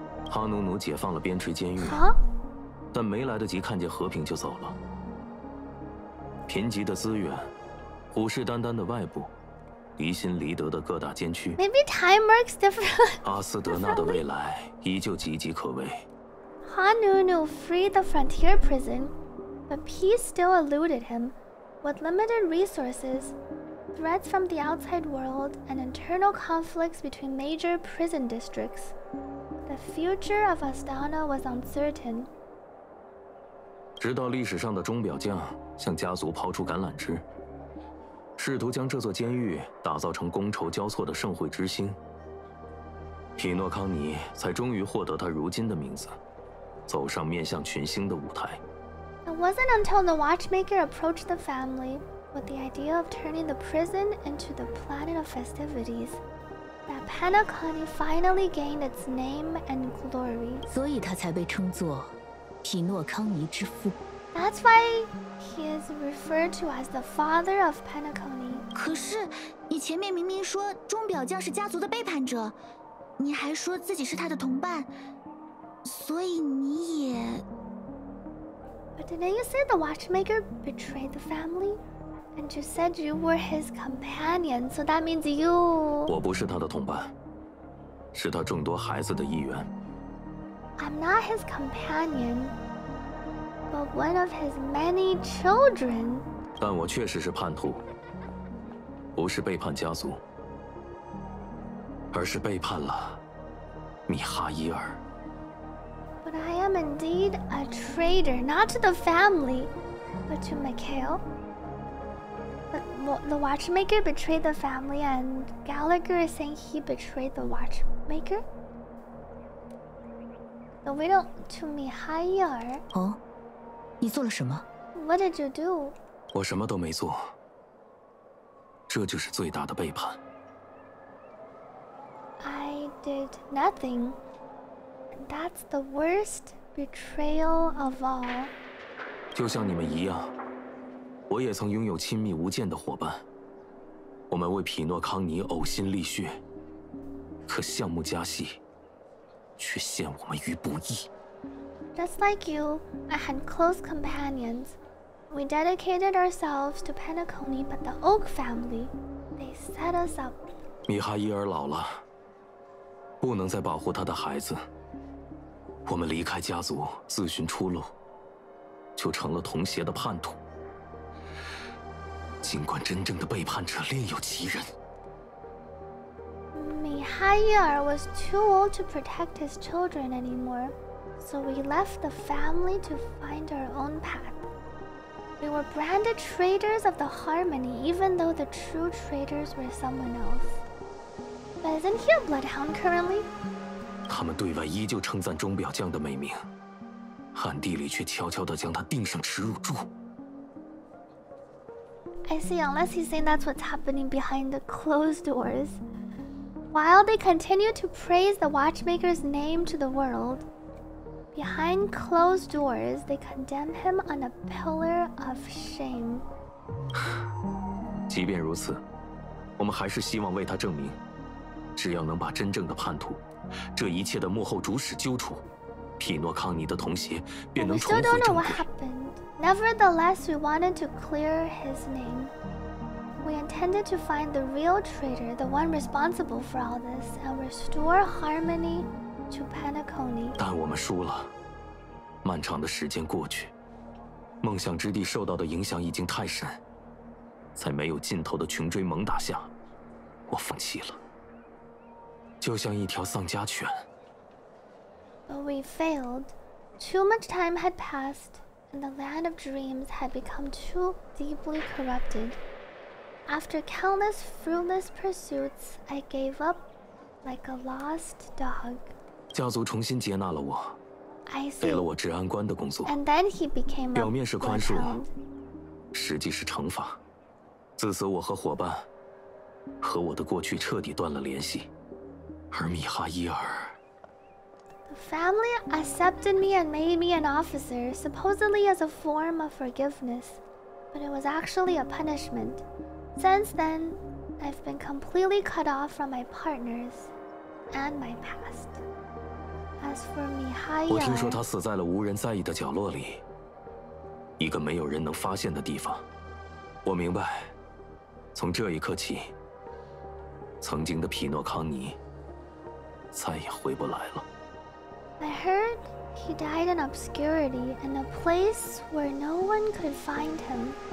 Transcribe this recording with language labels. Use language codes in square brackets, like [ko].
[zh] 哈努努解放了边陲监狱、 huh? 但没来得及看见和平就走了。贫瘠的资源，虎视眈眈的外部，离心离德的各大监区。 [en] Maybe time works differently. [zh] 阿斯德纳的未来依旧岌岌可危。 [en] 哈努努 freed the frontier prison, but peace still eluded him. With limited resources, threats from the outside world, and internal conflicts between major prison districts, the future of Astana was uncertain. [zh] 直到历史上的钟表匠向家族抛出橄榄枝，试图将这座监狱打造成觥筹交错的盛会之星，匹诺康尼才终于获得他如今的名字。走上面向群星的舞台。 [en] It wasn't until the watchmaker approached the family with the idea of turning the prison into the planet of festivities that Panacone finally gained its name and glory. [zh] 所以他才被称作匹诺康尼之父。 [en] That's why he is referred to as the father of Panacone. [zh] 可是你前面明明说钟表匠是家族的背叛者，你还说自己是他的同伴。所以你也 [en] But didn't you say the watchmaker betrayed the family? And you said you were his companion, so that means you... [zh] 我不是他的同伴，是他众多孩子的一员。 [en] I'm not his companion, but one of his many children. [zh] 但我确实是叛徒，不是背叛家族，而是背叛了米哈伊尔。 [en] But I am indeed a traitor, not to the family, but to Mikhail. The watchmaker betrayed the family, and Gallagher is saying he betrayed the watchmaker? The widow to Mihayar. [zh] Oh? 你做了什么? [en] What did you do? [zh] 我什么都没做。这就是最大的背叛。 [en] I did nothing. That's the worst betrayal of all. [zh] 就像你们一样，我也曾拥有亲密无间的伙伴。我们为匹诺康尼呕心沥血，可项目加息却陷我们于不义。 [en] Just like you, I had close companions. We dedicated ourselves to Panacone, but the Oak family, they set us up. [zh] 米哈伊尔老了，不能再保护他的孩子。我们离开家族自寻出路，就成了童鞋的叛徒。尽管真正的背叛者另有其人。 [en] 米哈伊尔 was too old to protect his children anymore, so we left the family to find our own path. We were branded traitors of the harmony, even though the true traitors were someone else. But isn't he a bloodhound currently? [zh] 他们对外依旧称赞钟表匠的美名，暗地里却悄悄地将他钉上耻辱柱。 [en] I see, unless he's saying that's what's happening behind the closed doors. While they continue to praise the watchmaker's name to the world, behind closed doors, they condemn him on a pillar of shame. [zh] 即便如此，我们还是希望为他证明，只要能把真正的叛徒这一切的幕后主使揪出，匹诺康尼的童鞋便能重回正轨。 [en] Still don't know what happened. Nevertheless, we wanted to clear his name. We intended to find the real traitor, the one responsible for all this, and restore harmony to Panacone. [zh] 但我们输了。漫长的时间过去，梦想之地受到的影响已经太深，在没有尽头的穷追猛打下，我放弃了，就像一条丧家犬。 [en] But we failed. Too much time had passed, and the land of dreams had become too deeply corrupted. After countless fruitless pursuits, I gave up like a lost dog. [zh] 家族重新接纳了我，给了我治安官的工作。 [en] And then he became a [zh] 表面是宽恕，实际是惩罚。自此，我和伙伴和我的过去彻底断了联系，而米哈伊尔。 [en] The family accepted me and made me an officer, supposedly as a form of forgiveness, but it was actually a punishment. Since then, I've been completely cut off from my partners and my past. As for Mihai, [zh] 我听说他死在了无人在意的角落里，一个没有人能发现的地方。我明白，从这一刻起，曾经的匹诺康尼再也回不来了。 [en] I heard he died in obscurity in a place where no one could find him.